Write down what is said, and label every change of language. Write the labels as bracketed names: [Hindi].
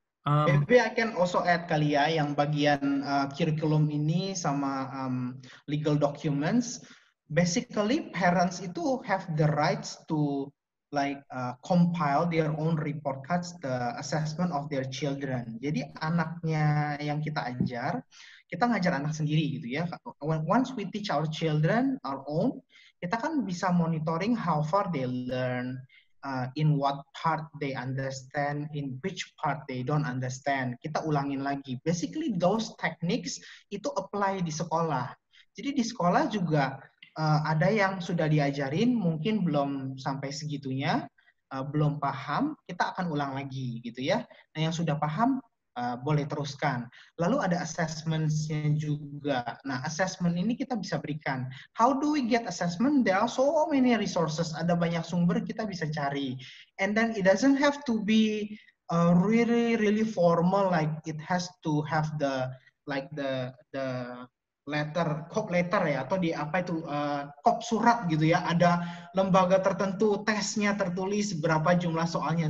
[English] Maybe I can also add kali ya, [Indonesian] yang bagian curriculum ini sama [English] legal documents. Basically, parents itu have the rights to like compile their own report cards, the assessment of their children. [Indonesian] Jadi anaknya yang kita ngajar anak sendiri gitu ya. [English] Once we teach our children, our own, [Indonesian] kita kan bisa monitoring [English] how far they learn, in what part they understand, in which part they don't understand. [Indonesian] Kita ulangin lagi. Basically, [English] those techniques [Indonesian] itu apply di sekolah. Jadi di sekolah juga ada yang sudah diajarin, mungkin belum sampai segitunya, belum paham, kita akan ulang lagi gitu ya. Nah, yang sudah paham, boleh teruskan. Lalu ada assessments-nya juga. Nah, assessment ini kita bisa berikan. [English] How do we get assessment? There are so many resources. [Indonesian] Ada banyak sumber kita bisa cari. [English] And then it doesn't have to be really, really formal. Like it has to have the like the letter, COP letter [Indonesian] ya, atau di apa itu, COP surat gitu ya, ada lembaga tertentu, tesnya tertulis, berapa jumlah soalnya.